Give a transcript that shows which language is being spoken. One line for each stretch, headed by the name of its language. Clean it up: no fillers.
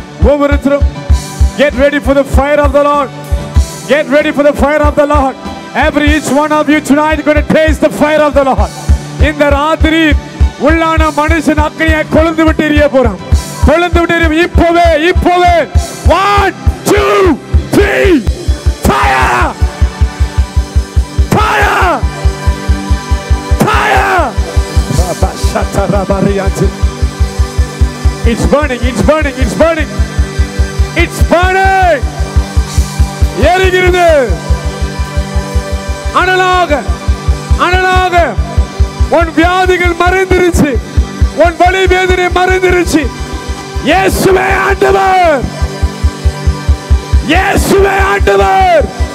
Tamil: ஒவ்வொருத்தரும்
English: get ready for the fire of the Lord. Get ready for the fire of the Lord. Every each one of you tonight is going to taste the fire of the Lord.
Tamil: இந்த ராத்திரி உள்ளான மனுஷன் அக்கினியை கொழுந்து விட்டு எரிய போறான். இப்போவே, இப்போவே. 1, 2, 3
English: fire, fire, fire. Baba shata rabariyanti. It's burning, it's burning, it's burning, it's burning.
Tamil: எரிகிறது. அனலாக, அனலாக உன் வியாதிகள் மறைந்திருச்சு, உன் வலி வேதனை மறைந்திருச்சு. இயேசுவே ஆண்டவர், இயேசுவே ஆண்டவர்.